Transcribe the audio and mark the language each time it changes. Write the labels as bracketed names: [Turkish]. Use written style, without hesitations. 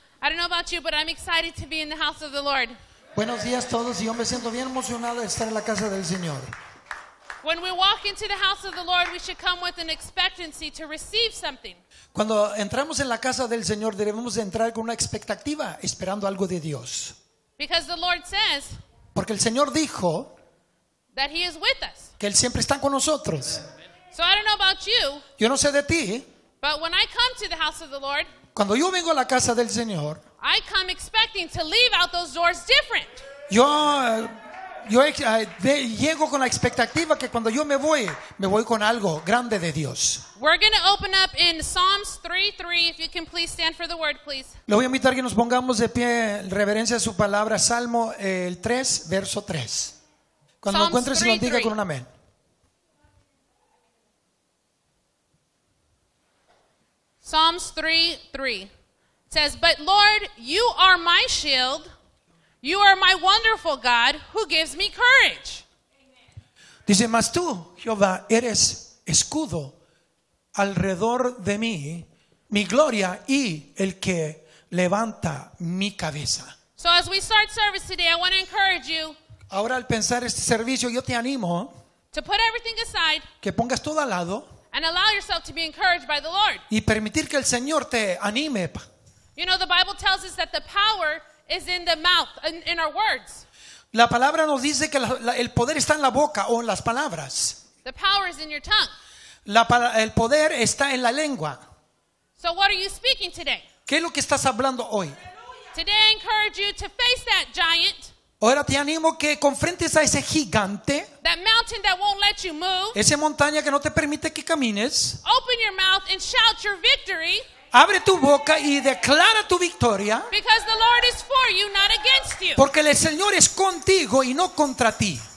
[English] I don't know about you, but I'm excited to be in the house of the Lord. [Spanish] Buenos días a todos, y yo me siento bien emocionado de estar en la casa del Señor. [English] When we walk into the house of the Lord, we should come with an expectancy to receive something. [Spanish] Cuando entramos en la casa del Señor, debemos entrar con una expectativa, esperando algo de Dios. [English] Because the Lord says, [Spanish] porque el Señor dijo, [English] that he is with us. [Spanish] Que él siempre está con nosotros. [English] So I don't know about you. [Spanish] Yo no sé de ti. [English] But when I come to the house of the Lord, [Spanish] cuando yo vengo a la casa del Señor, [English] I come expecting to leave out those doors different. [Spanish] Yo llego con la expectativa que cuando yo me voy con algo grande de Dios. [English] We're going to open up in Psalms 3:3. If you can please stand for the word, please. [Spanish] Le voy a invitar que nos pongamos de pie en reverencia a su palabra. Salmo el 3, verso 3. Cuando lo encuentres, se lo diga con un amén. [English] Psalms 3:3 says, "But Lord, you are my shield. You are my wonderful God who gives me courage." [Spanish] Dice, "Mas tú, Jehová, eres escudo alrededor de mí, mi gloria y el que levanta mi cabeza." [English] So as we start service today, I want to encourage you. [Spanish] Ahora al pensar este servicio, yo te animo. [English] To put everything aside. [Spanish] Que pongas todo al lado. [English] And allow yourself to be encouraged by the Lord. [Spanish] Y permitir que el Señor te anime. [English] You know, the Bible tells us that the power is in the mouth, in our words. [Spanish] La palabra nos dice que el poder está en la boca o en las palabras. [English] The power is in your tongue. [Spanish] El poder está en la lengua. [English] So what are you speaking today? [Spanish] ¿Qué es lo que estás hablando hoy? [English] Today I encourage you to face that giant. [Spanish] Ahora te animo que confrontes a ese gigante, [English] that mountain that won't let you move, [Spanish] esa montaña que no te permite que camines. [English] Open your mouth and shout your victory. [Spanish] Abre tu boca y declara tu victoria. [English] Because the Lord is for you, not against you. [Spanish] Porque el Señor es contigo y no contra ti.